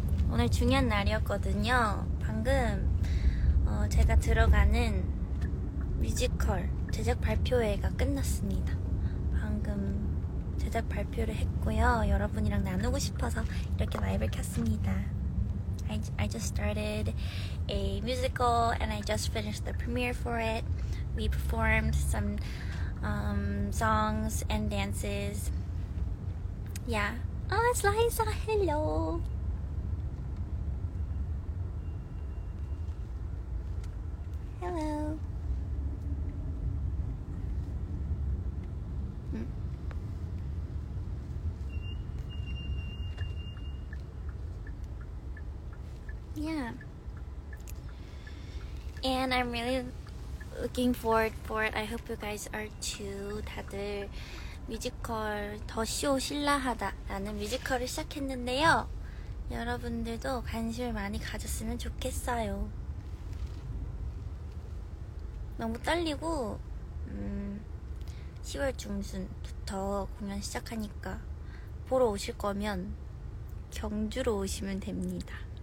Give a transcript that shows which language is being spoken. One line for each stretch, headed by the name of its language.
Korean: 오늘 중요한 날이었거든요. 방금 제가 들어가는 뮤지컬 제작 발표회가 끝났습니다. 방금 제작 발표를 했고요. 여러분이랑 나누고 싶어서 이렇게 라이브를 켰습니다.
English: I just started a musical and I just finished the premiere for it. We performed some songs and dances. Yeah. Oh, it's Liza. Hello. Hello. Yeah, and I'm really looking forward for it. I hope you guys are too.
Korean: 다들 뮤지컬 더쇼 신라하다라는 뮤지컬을 시작했는데요. 여러분들도 관심을 많이 가졌으면 좋겠어요. 너무 떨리고 10월 중순부터 공연 시작하니까 보러 오실 거면 경주로 오시면 됩니다.